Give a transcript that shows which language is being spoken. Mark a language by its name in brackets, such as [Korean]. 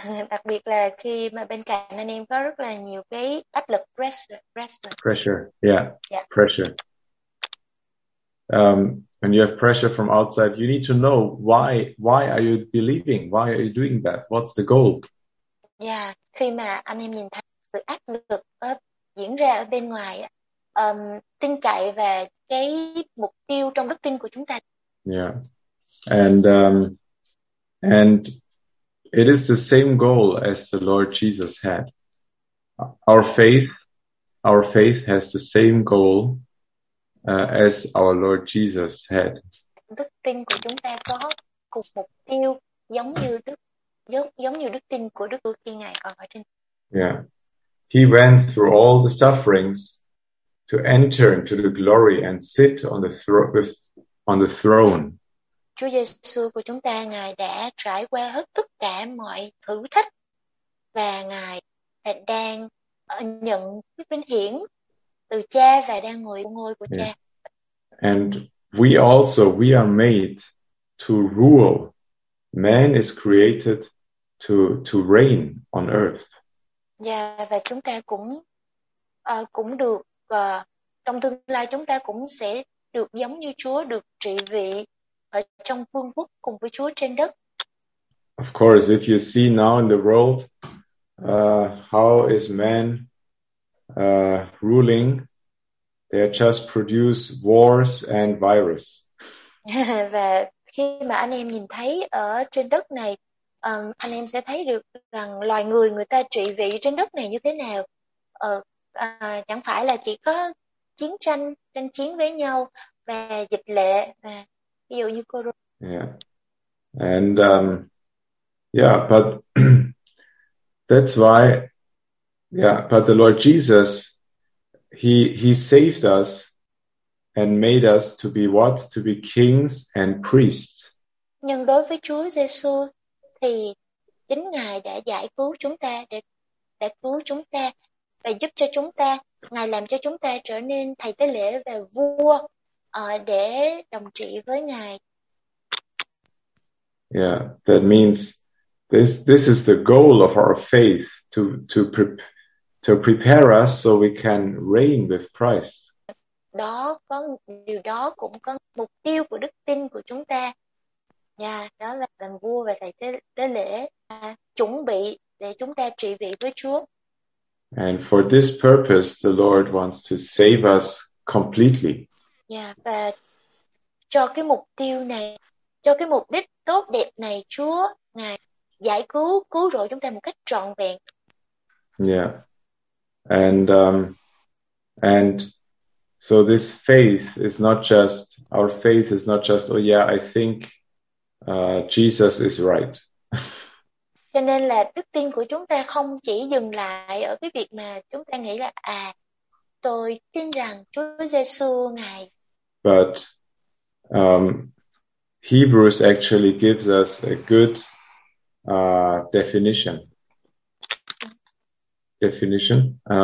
[Vietnamese] Đặc biệt là khi mà bên cạnh anh em có rất là nhiều cái áp lực pressure. [English] outside. Pressure, yeah, pressure. When you have pressure from outside, you need to know why are you believing? Why are you doing that? What's the goal? [Vietnamese] Khi mà anh em nhìn thấy sự áp lực diễn ra ở bên ngoài, tin cậy và cái mục tiêu trong đức tin của chúng ta. Yeah. [English] And it is the same goal as the Lord Jesus had. Our faith has the same goal as our Lord Jesus had. [Vietnamese] Đức tin của chúng ta có cùng mục tiêu giống như đức giống giống như đức tin của Đức Chúa khi Ngài còn ở trên. Yeah. [English] He went through all the sufferings to enter into the glory and sit on the throne. On the throne. [Vietnamese] Chúa Giêsu của chúng ta, Ngài đã trải qua hết tất cả mọi thử thách và Ngài đang nhận cái vinh hiển từ Cha và đang ngồi ngôi của Yeah. Cha. [English] And we are made to rule. Man is created to reign on earth. [Vietnamese] Và chúng ta cũng cũng được trong tương lai chúng ta cũng sẽ được giống như Chúa, được trị vì ở trong vương quốc cùng với Chúa trên đất. [English] Of course, if you see now in the world, how is man ruling? They just produce wars and virus. [Vietnamese] Và khi mà anh em nhìn thấy ở trên đất này, anh em sẽ thấy được rằng loài người người ta trị vì trên đất này như thế nào. Chẳng phải là chỉ có chiến tranh, tranh chiến với nhau và dịch lệ, và ví dụ như corona. Yeah. [English] And but that's why, yeah, but the Lord Jesus, he saved us and made us to be what? To be kings and priests. [Vietnamese] Nhưng đối với Chúa Giêsu thì chính Ngài đã giải cứu chúng ta, để cứu chúng ta và giúp cho chúng ta, Ngài làm cho chúng ta trở nên thầy tế lễ và vua để đồng trị với Ngài. [English] Yeah, that means this is the goal of our faith to prepare us so we can reign with Christ. [Vietnamese] Đó có điều đó cũng có mục tiêu của đức tin của chúng ta. Đó là làm vua và thầy tế lễ, chuẩn bị để chúng ta trị vì với Chúa. [English] And for this purpose, the Lord wants to save us completely. [Vietnamese] Và cho cái mục tiêu này, cho cái mục đích tốt đẹp này, Chúa Ngài giải cứu, cứu rỗi chúng ta một cách trọn vẹn. Yeah. [English] And so this faith is not just our faith is not just, oh yeah, I think Jesus is right. [Vietnamese] Cho nên là đức tin của chúng ta không chỉ dừng lại ở cái việc mà chúng ta nghĩ là tôi tin rằng Chúa Giêsu Ngài. [English] But Hebrews actually gives us a good definition. Definition.